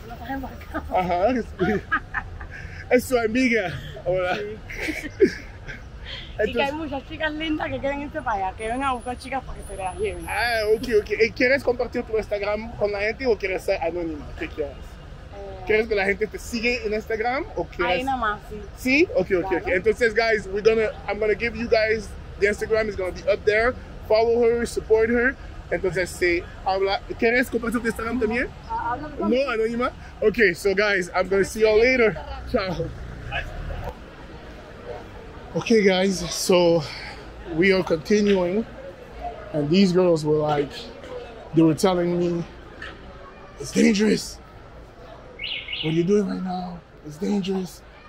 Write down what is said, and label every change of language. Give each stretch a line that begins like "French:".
Spanish: no está embarcado. Ajá, es su amiga. Hola. Sí. Entonces, y que hay muchas chicas lindas que quieren irse para allá, que vengan a buscar chicas para que se las lleven. Ah, ok. ¿Y quieres compartir tu Instagram con la gente o quieres ser anónima? ¿Qué quieres? ¿Quieres que la gente te siga en Instagram o quieres? Ahí nomás, sí. ¿Sí? Ok. Entonces,
English: guys, I'm gonna give you guys, the Instagram is gonna be up there. Follow her, support her.
Spanish: Entonces, si habla, ¿quieres compartir tu Instagram también? No, anónima.
English: Ok, so guys, I'm going to see y'all later. Chao. Ok, guys, so we are continuing. And these girls were like, they were telling me, it's dangerous. What are you doing right now? It's dangerous.